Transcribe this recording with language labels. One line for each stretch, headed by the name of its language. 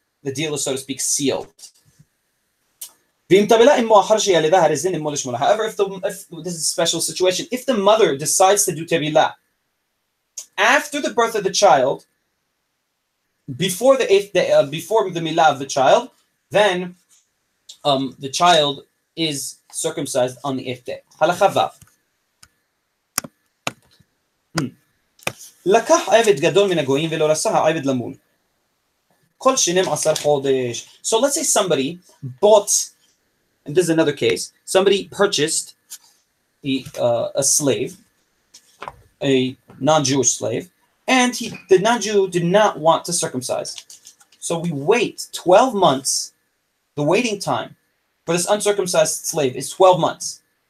English: the deal is, so to speak, sealed. However, if this is a special situation, if the mother decides to do tabila after the birth of the child, before the eighth day, before the milah of the child, then the child is circumcised on the eighth day.
Hebrew: Halacha vav. לקח עבד גדול מן הגויים ולא רסה העבד למול. כל שנים עשר חודש.
English: So let's say somebody bought, and this is another case, somebody purchased a slave, a non-Jewish slave, and the non-Jew did not want to circumcise. So we wait 12 months, the waiting time for this uncircumcised slave is 12 months.